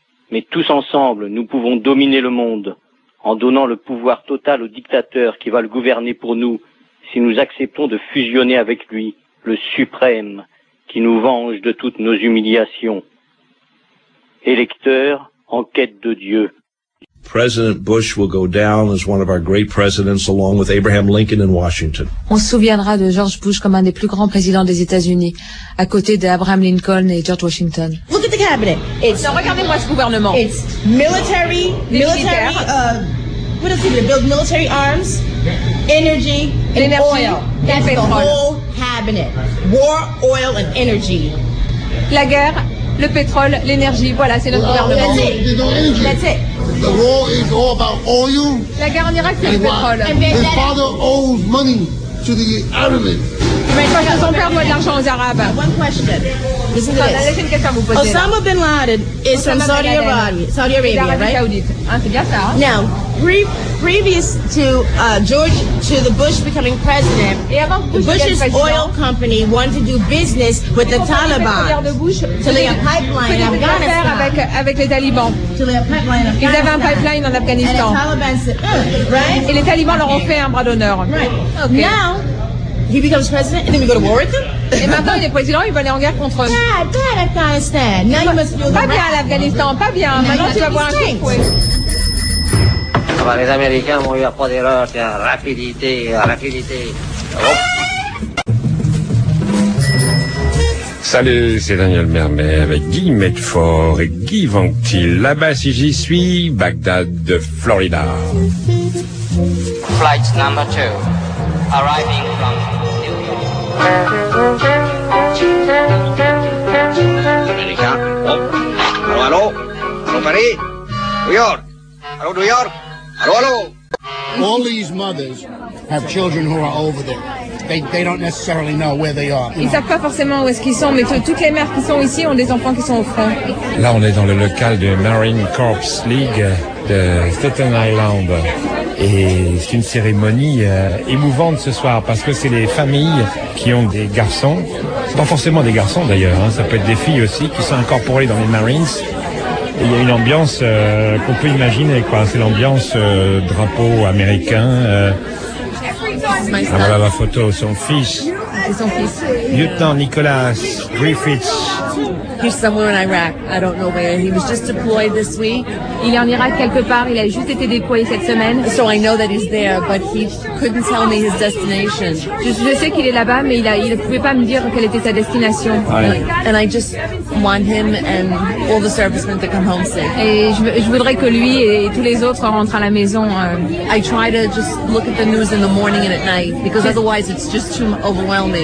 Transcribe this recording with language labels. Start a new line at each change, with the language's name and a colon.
French: Mais tous ensemble, nous pouvons dominer le monde en donnant le pouvoir total au dictateur qui va le gouverner pour nous si nous acceptons de fusionner avec lui, le suprême, qui nous venge de toutes nos humiliations. Électeur en quête de Dieu.
English: President Bush will go down as one of our great presidents along with Abraham Lincoln in Washington.
French: On se souviendra de George Bush comme un des plus grands présidents des États-Unis, à côté d'Abraham Lincoln et George Washington.
English: Look at the cabinet. It's,
French: non, regardez-moi ce gouvernement.
English: It's military, what is it, to build military arms, energy, and oil. That's the whole cabinet. War, oil, and energy.
French: La guerre, le pétrole, l'énergie, voilà, c'est notre gouvernement.
English: That's it. The war is all about oil.
French: La guerre en Irak, c'est le pétrole.
English: His father owes money to the Arabs.
French: Mais quoi, son père doit de l'argent aux Arabes.
English: One question. Listen to this. Osama bin Laden is from Saudi Arabia, right? Now, previous to the Bush becoming president, Bush's oil company wanted to do business with the Taliban. So they have pipeline in Afghanistan.
French: Avec les talibans. Ils avaient un pipeline en Afghanistan.
English: And the Taliban said, right?
French: Et les talibans leur ont fait un bras d'honneur.
English: Right. Okay. Now, he becomes president, and then we go to war with him.
French: Et maintenant, il est président, il va aller en guerre contre eux.
English: Bad Afghanistan. Now you must feel
French: pas bien l'Afghanistan, pas bien.
English: Now
French: maintenant, tu vas voir un coup de fouet. Ah bah, les Américains vont lui apprendre l'heure. Tiens, rapidité, rapidité. Oh. Salut, c'est Daniel Mermet avec Guy Medford et Guy Ventil. Là-bas, si j'y suis, Bagdad de Florida.
English: Flight number 2. Arriving from New York.
French: Allô, allô. Allô, Paris. New York. Allô, New York. Allô, allô.
English: All these mothers have children who are over there. They don't necessarily know where they are.
French: Ils savent pas forcément où est-ce qu'ils sont, mais toutes les mères qui sont ici ont des enfants qui sont au front. Là, on est dans le local du Marine Corps League de Staten Island. Et c'est une cérémonie émouvante ce soir parce que c'est les familles qui ont des garçons Pas forcément des garçons d'ailleurs, hein. Ça peut être des filles aussi qui sont incorporées dans les Marines. Il y a une ambiance qu'on peut imaginer, quoi. C'est l'ambiance drapeau américain. Ah, voilà la photo, son fils. C'est son fils. Lieutenant Nicholas Griffiths.
English: He's somewhere in Iraq. I don't know where. He was just deployed this week.
French: Il est en Irak quelque part. Il a juste été déployé cette semaine.
English: So I know that he's there, but he couldn't tell me his destination.
French: Je sais qu'il est là-bas, mais il ne pouvait pas me dire quelle était sa destination.
English: Right. And I just want him and all the servicemen to come home safe.
French: Et je voudrais que lui et tous les autres rentrent à la maison.
English: I try to just look at the news in the morning and at night because otherwise it's just too overwhelming.